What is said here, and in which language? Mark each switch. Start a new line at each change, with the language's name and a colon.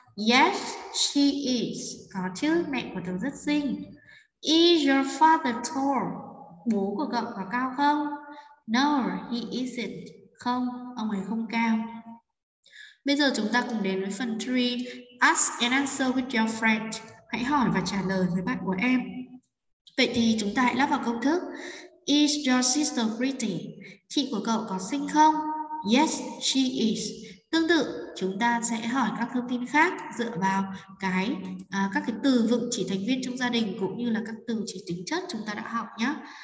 English: Yes, she is.
Vietnamese: Có chứ, mẹ của tớ rất xinh.
English: Is your father tall?
Vietnamese: Bố của cậu có cao không?
English: No, he isn't.
Vietnamese: Không, ông ấy không cao. Bây giờ chúng ta cùng đến với phần 3.
English: Ask and answer with your friend.
Vietnamese: Hãy hỏi và trả lời với bạn của em. Vậy thì chúng ta hãy lắp vào công thức.
English: Is your sister pretty?
Vietnamese: Chị của cậu có xinh không?
English: Yes, she is.
Vietnamese: Tương tự, chúng ta sẽ hỏi các thông tin khác dựa vào các cái từ vựng chỉ thành viên trong gia đình cũng như là các từ chỉ tính chất chúng ta đã học nhé.